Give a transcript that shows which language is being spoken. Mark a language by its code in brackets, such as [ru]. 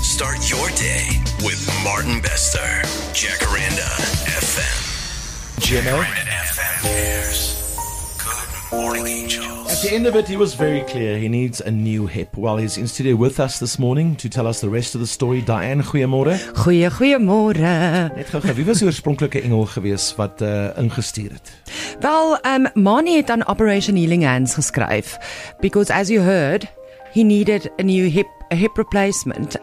[en] Start your day with Martin Bester, Jacaranda FM. Jimmy. Jacaranda FM cares. Good morning, angels. At the end of it, he was very clear. He needs a new hip. Well, he's in studio with us this morning to tell us the rest of the story. [af] Diane, goeiemôre. Goeiemôre. Net gou-gou, wie was die oorspronklike engel gewees wat ingestuur het? Wel, Marnie het aan Operation Healing Hands geskryf. [en] Because as you heard, he needed a new hip, a hip replacement.